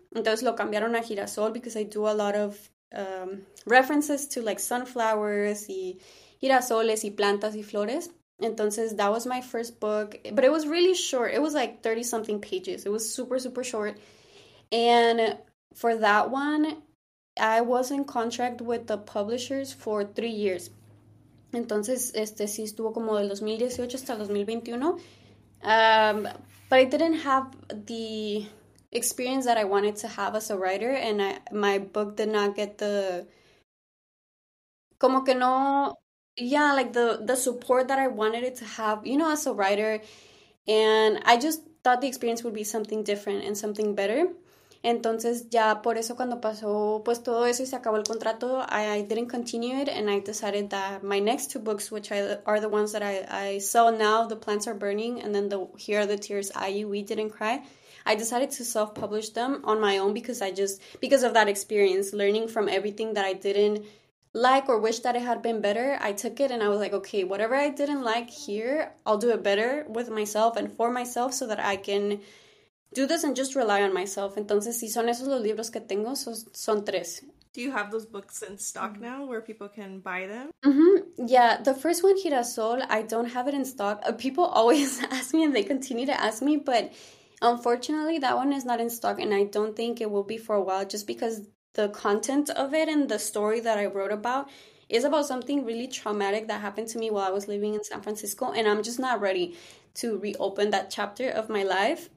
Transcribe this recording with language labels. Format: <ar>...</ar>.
<es>Entonces, lo cambiaron a Girasol</es> <en>because I do a lot of references to like sunflowers</en> <es>y girasoles y plantas y flores.</es> <en>Entonces, that was my first book, but it was really short. It was like 30 something pages. It was super, super short. And for that one, I was in contract with the publishers for 3 years.</en> <es>Entonces, sí estuvo como del 2018 hasta 2021.</es> <en>But I didn't have the experience that I wanted to have as a writer, and my book did not get the</en> <es>como que no,</es> <en>yeah, like the support that I wanted it to have, you know, as a writer. And I just thought the experience would be something different and something better.</en> <es>Entonces ya por eso cuando pasó pues todo eso y se acabó el contrato,</es> <en>I didn't continue it, and I decided that my next two books, which are the ones that I sell now, The Plants Are Burning and then the Here Are the Tears IU We Didn't Cry, I decided to self-publish them on my own because of that experience, learning from everything that I didn't like or wish that it had been better. I took it and I was like, okay, whatever I didn't like here, I'll do it better with myself and for myself so that I can do this and just rely on myself.</en> <es>Entonces, si son esos los libros que tengo, son tres.</es> <en>Do you have those books in stock now where people can buy them? Yeah, the first one, Girasol, I don't have it in stock. People always ask me and they continue to ask me, but unfortunately, that one is not in stock, and I don't think it will be for a while just because the content of it and the story that I wrote about is about something really traumatic that happened to me while I was living in San Francisco, and I'm just not ready to reopen that chapter of my life.</en>